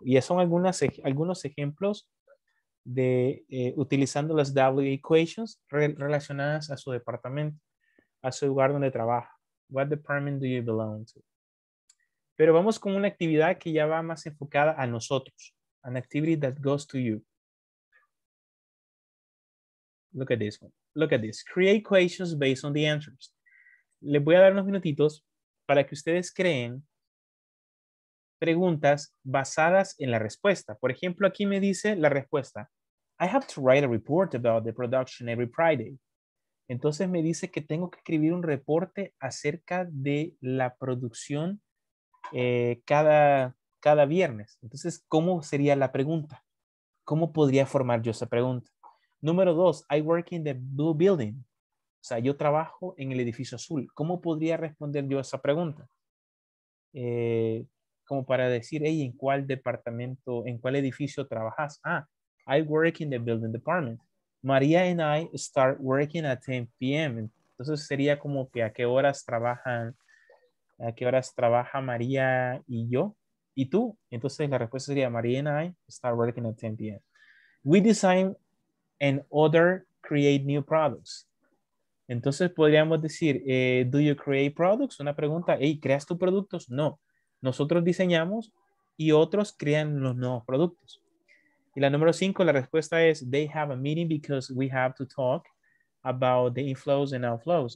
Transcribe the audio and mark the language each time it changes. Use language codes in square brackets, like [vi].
[es] Y son algunos ejemplos de utilizando las W equations relacionadas a su departamento, a su lugar donde trabaja. [en] What department do you belong to? [es] Pero vamos con una actividad que ya va más enfocada a nosotros. [en] An activity that goes to you. Look at this one. look at this. Create questions based on the answers. [es] Les voy a dar unos minutitos para que ustedes creen preguntas basadas en la respuesta. Por ejemplo, aquí me dice la respuesta. [en] I have to write a report about the production every Friday. [es] Entonces me dice que tengo que escribir un reporte acerca de la producción cada viernes. Entonces, ¿cómo sería la pregunta? ¿Cómo podría formar yo esa pregunta? Número dos, [en] I work in the blue building. [es] O sea, yo trabajo en el edificio azul. ¿Cómo podría responder yo esa pregunta? Como para decir, hey, ¿en cuál departamento, en cuál edificio trabajas? [en] Ah, I work in the building department. María and I start working at 10 p.m. [es] Entonces sería como que a qué horas trabaja María y yo. ¿Y tú? Entonces la respuesta sería, [en] María and I start working at 10 p.m. We design and other create new products. [es] Entonces podríamos decir, [en] do you create products? [es] Una pregunta, hey, ¿creas tus productos? No. Nosotros diseñamos y otros crean los nuevos productos. Y la número cinco, la respuesta es, [en] they have a meeting because we have to talk about the inflows and outflows.